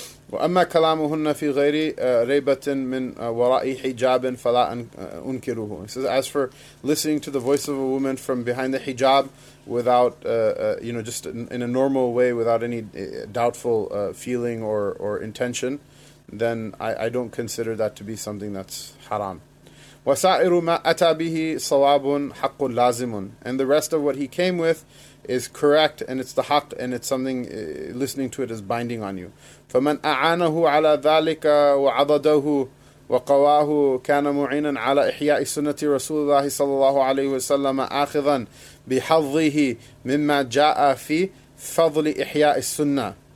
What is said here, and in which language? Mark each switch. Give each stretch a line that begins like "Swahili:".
Arabic: وَأَمَّا كَلَامُهُنَّ فِي غَيْرِ رَيْبَةٍ مِّنْ وَرَأِي حِجَابٍ فَلَا أُنْكِرُهُ.
English: He says, as for listening to the voice of a woman from behind the hijab, without, just in a normal way, without any doubtful feeling or intention, then I don't consider that to be something that's haram.
Arabic: وَسَائِرُ مَا أَتَى بِهِ صَوَابٌ حَقٌ لَازِمٌ.
English: And the rest of what he came with is correct, and it's the haq, and it's something, listening to it is binding on you.
Arabic: فَمَنْ أَعَانَهُ عَلَى ذَلِكَ وَعَضَدَهُ وَقَوَاهُ كَانَ مُعِينًا عَلَى إِحْيَاءِ سُنَّةِ رَسُولِ اللَّهِ صَلَى اللَّهُ عَلَيْهُ وَسَلَّمَ آخِذًا بِحَظِّهِ مِمَّا جَاءَ فِي فَضْلِ إِحْيَاءِ السُنَّةِ.